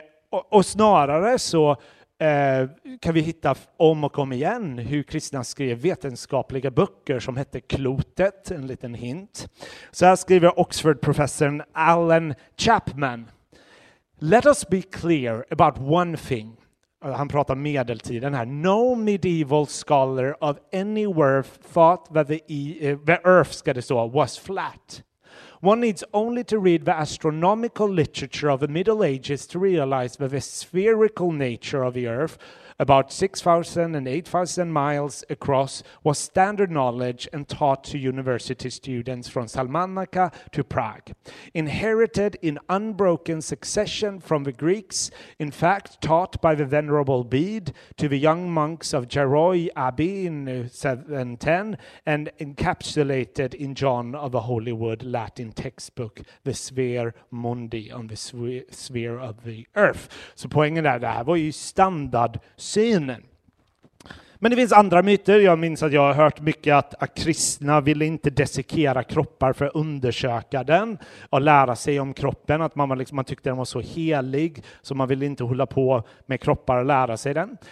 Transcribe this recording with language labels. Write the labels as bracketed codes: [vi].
[sv] Och snarare så kan vi hitta om och om igen hur kristna skrev vetenskapliga böcker som hette Klotet, en liten hint. Så här skriver Oxford-professorn Alan Chapman. [en] Let us be clear about one thing. [sv] Han pratar medeltiden här. [en] No medieval scholar of any worth thought that the earth was flat. One needs only to read the astronomical literature of the Middle Ages to realize that the spherical nature of the Earth, about 6,000 and 8,000 miles across, was standard knowledge and taught to university students from Salamanca to Prague. Inherited in unbroken succession from the Greeks, in fact taught by the venerable Bede to the young monks of Geroy Abbey in 710 and encapsulated in John of the Holywood Latin textbook, the Sphere Mundi, on the sphere of the earth. [sv] Så poängen är det här var ju standard synen. Men det finns andra myter. Jag minns att jag har hört mycket att kristna ville inte dissekera kroppar för att undersöka den och lära sig om kroppen. Att man tyckte den var så helig så man ville inte hålla på med kroppar och lära sig den.